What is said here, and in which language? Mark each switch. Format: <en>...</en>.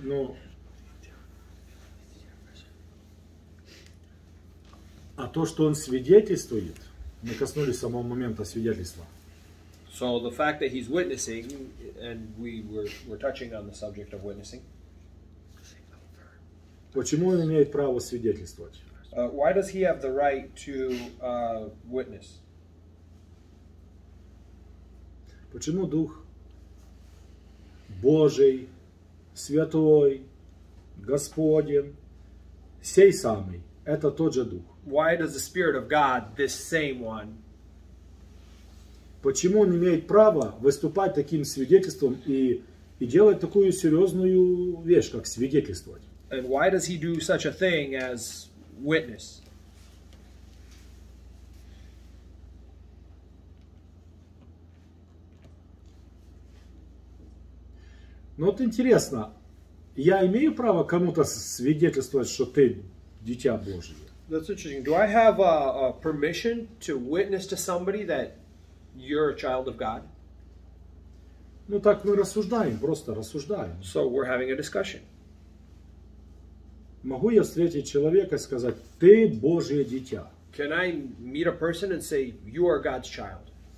<uk>Ну, а то, що він свідетельствує, ми коснулися самого моменту свідетельства.</uk> <en>So the fact that he's witnessing, and we're touching on the subject of witnessing.</en> <ru>Почему он имеет право свидетельствовать?</ru> <en>Why does he have the right to witness?</en> <ru>Почему Дух Божий, Святой, Господен, сей самый, это тот же Дух?</ru> <en>Why does the Spirit of God, this same one,</en> <ru>почему он имеет право выступать таким свидетельством и делать такую серьезную вещь, как свидетельствовать?</ru> <en>And why does he do such a thing as witness?</en> <ru>Ну вот интересно, я имею право кому-то свидетельствовать, что ты дитя Божие?</ru> <en>That's interesting. Do I have a permission to witness to somebody that you're a child of God?</en> <ru>Ну так мы рассуждаем, просто рассуждаем.</ru> <en>So we're having a discussion.</en> <ru>Могу я встретить человека и сказать, ты Божье дитя?</ru> <en>Can I meet a person and say, you are God's child?</en>